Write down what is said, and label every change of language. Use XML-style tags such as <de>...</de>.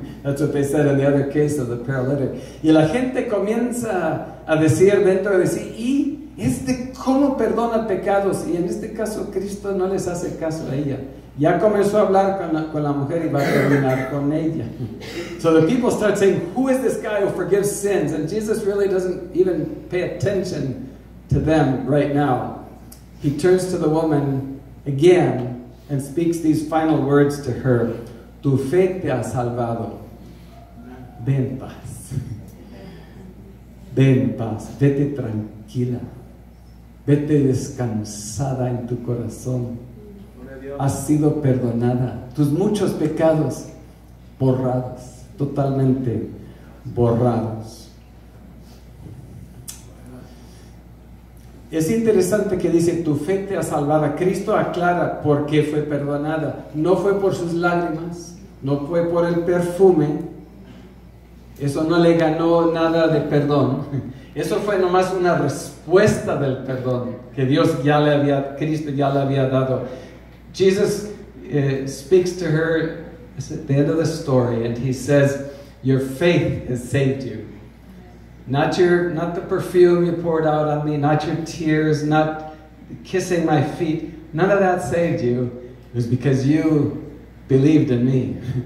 <en>That's what they said in the other case of the paralytic.</en> <es>Y la gente comienza a decir dentro de sí, ¿y este cómo perdona pecados? Y en este caso, Cristo no les hace caso a ella. Ya comenzó a hablar con la mujer y va a terminar con ella.</es> <en>So the people start saying, who is this guy who forgives sins? And Jesus really doesn't even pay attention to them right now. He turns to the woman again and speaks these final words to her.</en> <es>Tu fe te ha salvado. Ve en paz. Ve en paz. Vete tranquila. Vete descansada en tu corazón. Has sido perdonada. Tus muchos pecados borrados. Totalmente borrados. Es interesante que dice, tu fe te ha salvado. Cristo aclara por qué fue perdonada. No fue por sus lágrimas, no fue por el perfume. Eso no le ganó nada de perdón. Eso fue nomás una respuesta del perdón que Dios ya le había, Cristo ya le había dado.</es> <en>Jesus speaks to her at the end of the story and he says, your faith has saved you. Not the perfume you poured out on me, not your tears, not kissing my feet. None of that saved you. It was because you believed in me.</en>